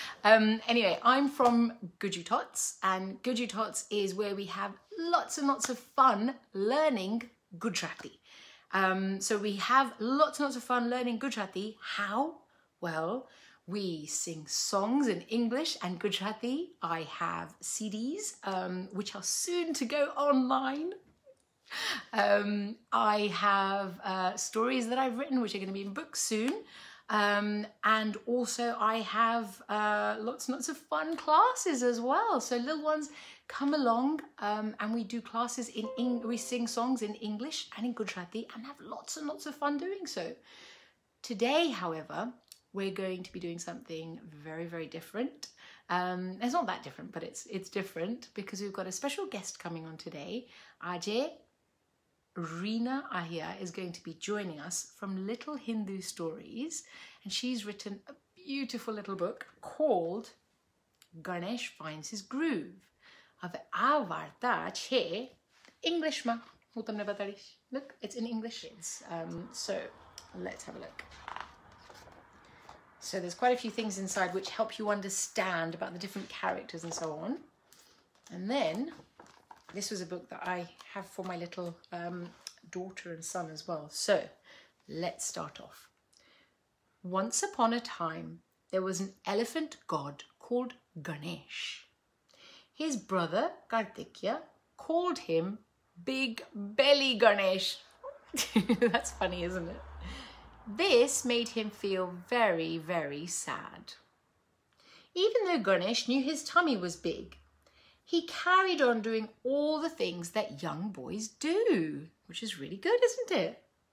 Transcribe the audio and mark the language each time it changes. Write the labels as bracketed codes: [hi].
[en] Anyway, I am from Gujutots and Gujutots is where we have lots and lots of fun learning Gujarati. So we have lots and lots of fun learning Gujarati. How? Well, we sing songs in English and Gujarati. I have CDs, which are soon to go online. I have stories that I've written, which are going to be in books soon. And also I have lots and lots of fun classes as well. So little ones, come along and we do classes in we sing songs in English and in Gujarati and have lots and lots of fun doing so. Today, however, we're going to be doing something very, very different. It's not that different, but it's different because we've got a special guest coming on today. Ajay, Reena Ahya is going to be joining us from Little Hindu Stories, and she's written a beautiful little book called Ganesh Finds His Groove. [gu] હવે આ વાર્તા છે ઇંગ્લિશમાં, હું તમને બતાડીશ. [en] Look, it's in English, so let's have a look. So there's quite a few things inside which help you understand about the different characters and so on. And then this was a book that I have for my little daughter and son as well. So let's start off. Once upon a time there was an elephant god called Ganesh. His brother, Kartikeya, called him Big Belly Ganesh. That's funny, isn't it? This made him feel very, very sad. Even though Ganesh knew his tummy was big, he carried on doing all the things that young boys do, which is really good, isn't it?